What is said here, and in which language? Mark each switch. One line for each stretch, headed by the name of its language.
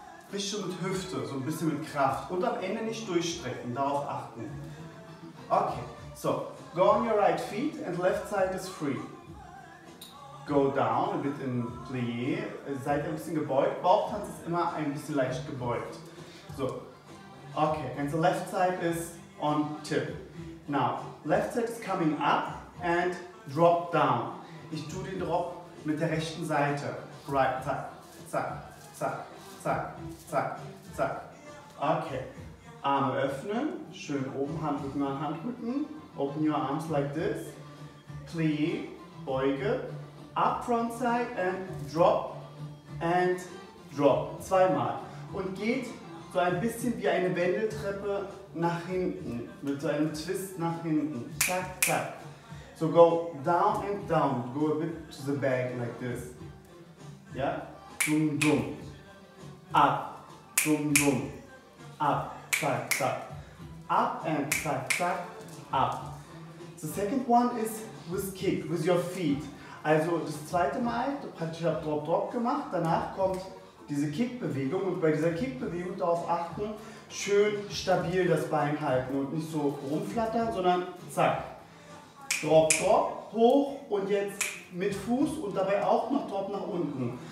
German: Richtig mit Hüfte, so ein bisschen mit Kraft. Und am Ende nicht durchstrecken, darauf achten.
English: Okay, so, go on your right feet and left side is free. Go down, a bit in plié, seid ein bisschen gebeugt.
German: Bauchtanz ist immer ein bisschen leicht gebeugt. So, okay, and the left side is on tip.
English: Now, left side is coming up and drop down.
German: Ich tue den Drop mit der rechten Seite. Right, zack, zack, zack, zack, zack, zack. Okay, Arme öffnen, schön oben, Handrücken an Handrücken.
English: Open your arms like this. Plie, Beuge, up front side and drop, zweimal.
German: Und geht so ein bisschen wie eine Wendeltreppe nach hinten, mit so einem Twist nach hinten. Zack, zack.
English: So go down and down, go a bit to the back like this. Ja, dum dum, up, dum dum, up, zack zack, up and zack zack, up. The second one is with kick, with your feet.
German: Also das zweite Mal, praktisch habe Drop Drop gemacht, danach kommt diese Kickbewegung und bei dieser Kickbewegung darauf achten, schön stabil das Bein halten und nicht so rumflattern, sondern zack, Drop Drop, hoch und jetzt mit Fuß und dabei auch noch Drop nach unten.